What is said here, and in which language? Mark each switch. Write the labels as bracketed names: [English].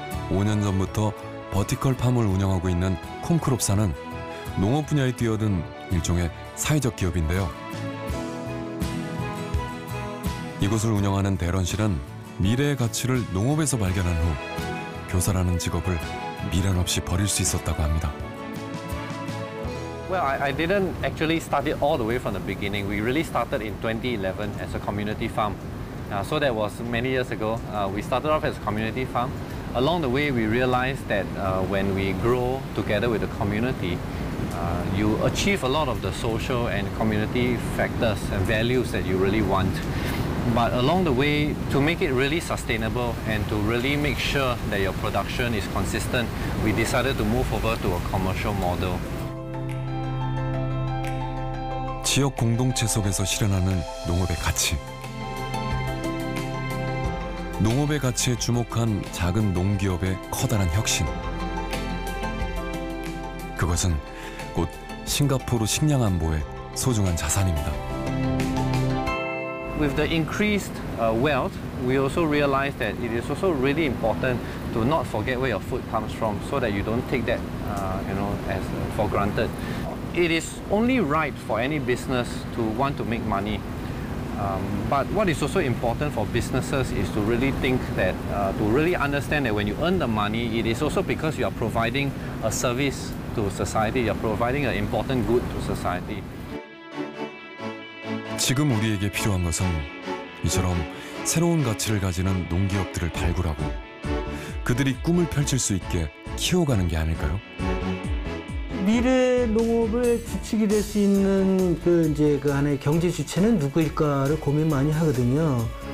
[Korean] 5년 전부터 버티컬 팜을 운영하고 있는 콩크롭사는 농업 분야에 뛰어든 일종의 사회적 기업인데요. 이곳을 운영하는 대런 씨는 미래의 가치를 농업에서 발견한 후 교사라는 직업을 미련 없이 버릴 수 있었다고 합니다. [English] Well, I didn't actually start it all the way from the beginning. We really started in 2011 as a community farm. So that was many years ago. We started off as a community farm. Along the way, we realized that when we grow together with the community, you achieve a lot of the social and community factors and values that you really want. But along the way, to make it really sustainable and to really make sure that your production is consistent, we decided to move over to a commercial model. [Korean] 지역 공동체 속에서 실현하는 농업의 가치. 농업의 가치에 주목한 작은 농기업의 커다란 혁신. 그것은 곧 싱가포르 식량 안보의 소중한 자산입니다. [English] With the increased wealth, we also realize that it is also really important to not forget where your food comes from so that you don't take that as for granted. It is only right for any business to want to make money. But what is also important for businesses is to really think that, to really understand that when you earn the money, it is also because you are providing a service to society, you are providing an important good to society. [Korean] 지금 우리에게 필요한 것은 이처럼 새로운 가치를 가지는 농기업들을 발굴하고 그들이 꿈을 펼칠 수 있게 키워가는 게 아닐까요? 미래 농업의 주축이 될 수 있는 그 이제 그 안에 경제 주체는 누구일까를 고민 많이 하거든요.